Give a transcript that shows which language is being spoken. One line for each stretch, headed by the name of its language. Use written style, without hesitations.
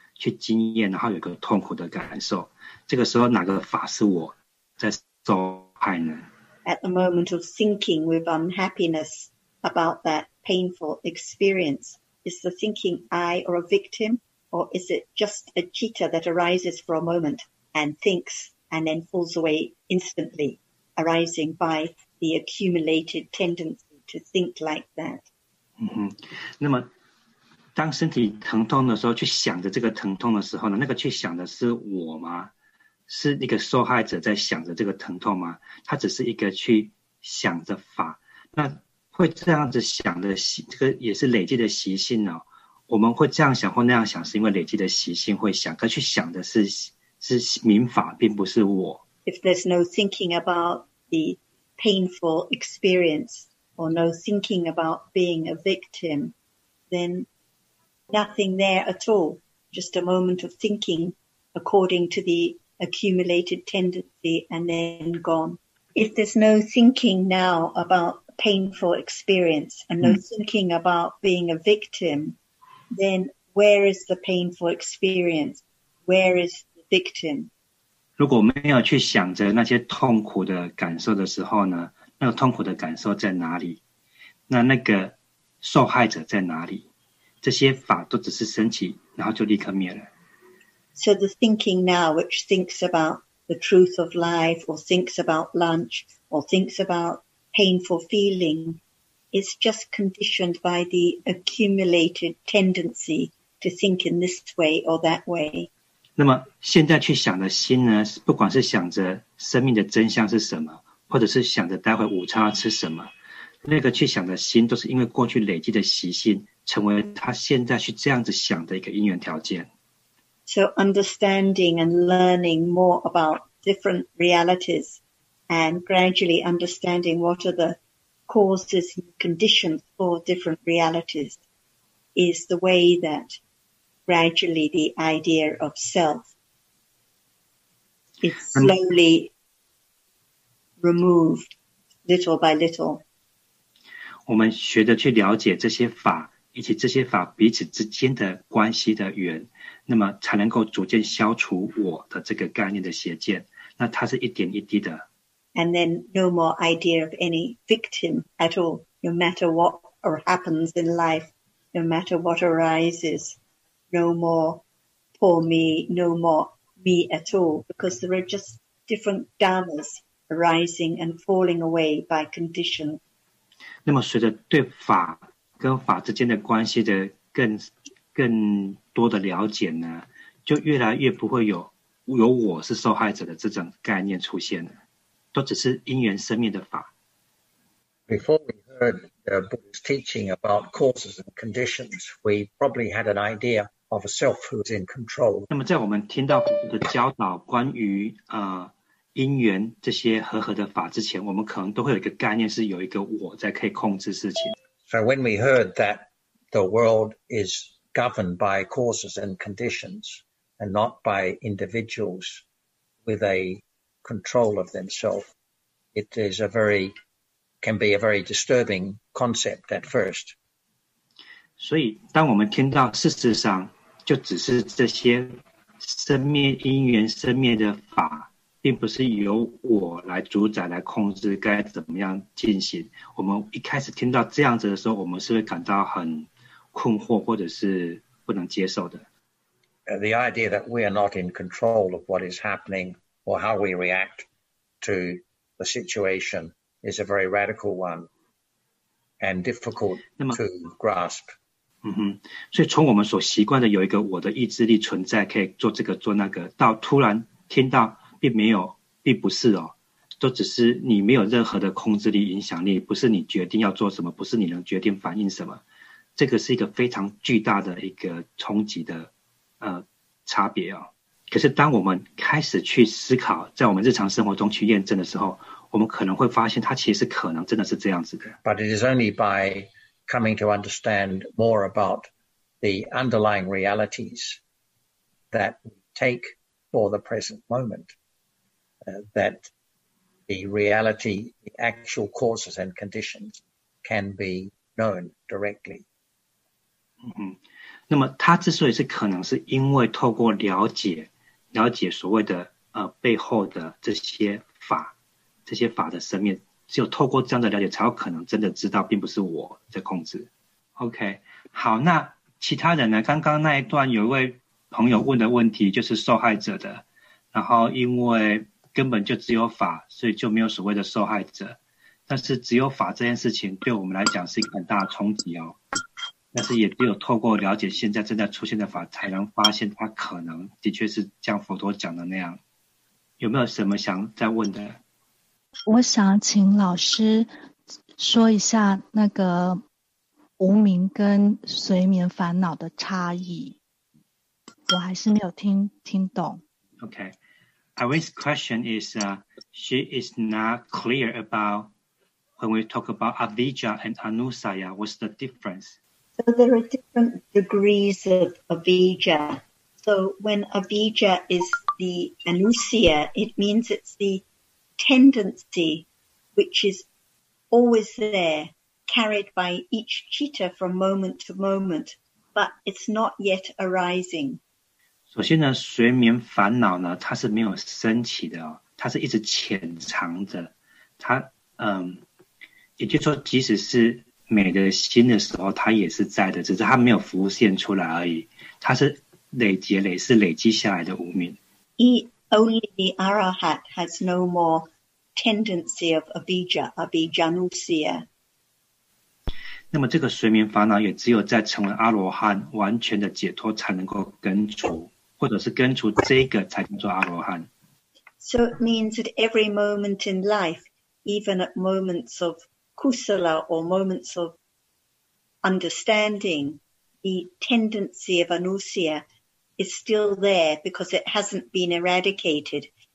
Chinese: 去经验，然后有个痛苦的感受。这个时候，哪个法是我在受害呢
English: ？At the moment of thinking with unhappiness about that painful experience, is the thinking I or a victim, or is it just a citta that arises for a moment and thinks and then falls away instantly, arising by the the accumulated tendency to think like that.
Chinese: 那么当身体疼痛的时候，去想着这个疼痛的时候呢，那个去想的是我吗？是一个受害者在想着这个疼痛吗？他只是一个去想着法。那会这样子想的习，这个也是累积的习性哦。我们会这样想或那样想，是因为累积的习性会想，可去想的是明法，并不是我。
English: If there's no thinking about the painful experience, or no thinking about being a victim, then nothing there at all. Just a moment of thinking according to the accumulated tendency and then gone. If there's no thinking now about painful experience and no thinking about being a victim, then where is the painful experience? Where is the victim?
Chinese: 如果没有去想着那些痛苦的感受的时候呢，那个痛苦的感受在哪里？那那个受害者在哪里？这些法都只是升起，然后就立刻灭了。
English: So the thinking now, which thinks about the truth of life, or thinks about lunch, or thinks about painful feeling, is just conditioned by the accumulated tendency to think in this way or that way.
Chinese: 那么现在去想的心呢，不管是想着生命的真相是什么，或者是想着待会午餐要吃什么，那个去想的心都是因为过去累积的习性成为他现在去这样子想的一个因缘条件。
English: So understanding and learning more about different realities and gradually understanding what are the causes and conditions for different realities is the way thatGradually, the idea of self is slowly removed, little by little.
Chinese: 我们学着去了解这些法，以及这些法彼此之间的关系的缘，那么才能够逐渐消除我的这个概念的邪见。那它是一点一滴的。
English: And then no more idea of any victim at all, no matter what or happens in life, no matter what arises. No more poor me, no more me at all, because there are just different dharmas arising and falling away by condition.
Chinese: 那么随着对法跟法之间的关系的更多的了解呢，就越来越不会有我是受害者的这种概念出现了，都只是因缘生灭的法。
English: Before we heard the Buddha's teaching about causes and conditions, we probably had an idea. Of a self who's in control.
Chinese: 那么在我们听到佛陀的教导关于因缘这些和的法之前，我们可能都会有一个概念，是有一个我在可以控制事情。
English: So when we heard that the world is governed by causes and conditions and not by individuals with a control of themselves, it is can be a very disturbing concept at first.
Chinese: 所以当我们听到事实上就只是这些生灭因缘生灭的法，并不是由我来主宰来控制该怎么样进行。我们一开始听到这样子的时候，我们是会感到很困惑或者是不能接受的。
English: The idea that we are not in control of what is happening or how we react to the situation is a very radical one and difficult to grasp.
Chinese: 所以从我们所习惯的有一个我的意志力存在，可以做这个做那个，到突然听到并不是，都只是你没有任何的控制力影响力，不是你决定要做什么，不是你能决定反应什么，这个是一个非常巨大的一个冲击的差别哦。可是当我们开始去思考，在我们日常生活中去验证的时候，我们可能会发现它其实可能真的是这样子的。
English: But it is only byComing to understand more about the underlying realities that we take for the present moment, that the reality, the actual causes and conditions can be known directly.
Chinese: 那么它之所以是可能，是因为透过了解所谓的背后的这些法的生命。只有透过这样的了解，才有可能真的知道，并不是我在控制。 OK， 好，那其他人呢？刚刚那一段有一位朋友问的问题，就是受害者的，然后因为根本就只有法，所以就没有所谓的受害者。但是只有法这件事情对我们来讲是一个很大的冲击哦。但是也只有透过了解现在正在出现的法，才能发现它可能的确是像佛陀讲的那样。有没有什么想再问的？我想请老师说一下那个无明跟随眠烦恼的差异，我还是没有听懂。
English: Okay, Irene's question is, she is not clear about when we talk about avijja and anusaya, what's the difference? So there are different degrees of avijja. So when avijja is the anusaya, it means it's the tendency which is always there, carried by each citta from moment to moment, but it's not yet arising.
Chinese: 首先呢，睡眠烦恼呢，它是没有升起的哦，它是一直潜藏着。它也就是说，即使是美的心的时候，它也是在的，只是它没有浮现出来而已。它是累积下来的无明。
English: Only the arahat has no more tendency of avijja, avijjanusaya.
Chinese: 那么这个睡眠烦恼也只有在成为阿罗汉完全的解脱才能够根除，或者是根除这个才叫做阿罗汉。
English: So it means that every moment in life, even at moments of kusala or moments of understanding, the tendency of anusaya is still there because it hasn't been eradicated.